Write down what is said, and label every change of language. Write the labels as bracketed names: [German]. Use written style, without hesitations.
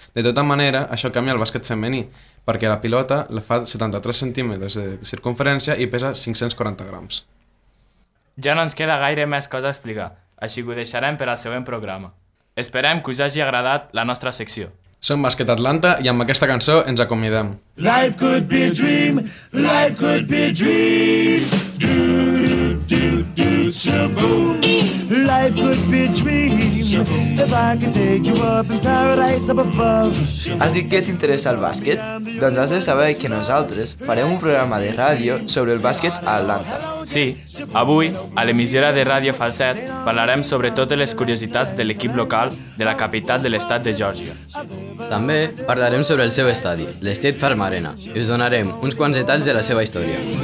[Catalan] De tota manera, això canvia el bàsquet femení, perquè la pilota la fa 73 centímetres de circumferència i pesa 540 grams. Ja no ens queda gaire més cosa a explicar, així que ho deixarem per al següent programa. Esperem que us hagi agradat la nostra secció. Som Bàsquet Atlanta i amb aquesta cançó ens acomiadem. [English] Life could be a dream, life could be a dream. Do, do, do, do, shaboom. Life could be a dream, if I could take you up in paradise up above. [Catalan] Has dit que t'interessa el bàsquet? Doncs has de saber que nosaltres farem un programa de ràdio sobre el bàsquet a Atlanta. Sí, avui a l'emissora de Ràdio Falset parlarem sobre totes les curiositats de l'equip local de la capital de l'estat de Geòrgia. També parlarem sobre el seu estadi, l'State Farm Arena, i us donarem uns quants detalls de la seva història.